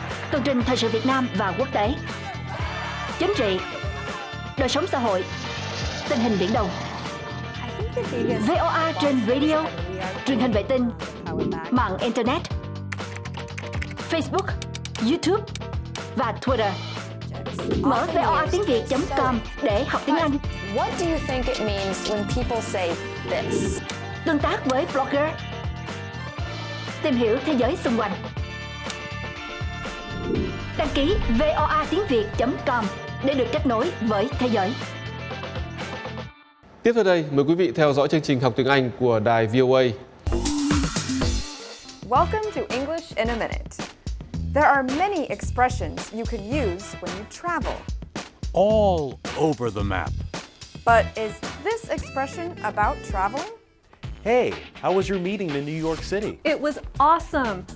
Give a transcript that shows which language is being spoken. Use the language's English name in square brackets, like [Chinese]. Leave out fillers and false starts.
[Vietnamese] Tường trình thời sự Việt Nam và quốc tế. Chính trị, đời sống xã hội, tình hình Biển Đông. VOA trên radio, truyền hình vệ tinh, mạng Internet, Facebook, YouTube và Twitter. Mở voatiengviet.com để học tiếng Anh. [English] What do you think it means when people say this? [Vietnamese] Tương tác với blogger. Tìm hiểu thế giới xung quanh. Đăng ký voatiengviet.com để được kết nối với thế giới. Tiếp theo đây, mời quý vị theo dõi chương trình học tiếng Anh của đài VOA. [English] Welcome to English in a Minute. There are many expressions you can use when you travel. All over the map. But is this expression about traveling? Hey, how was your meeting in New York City? It was awesome.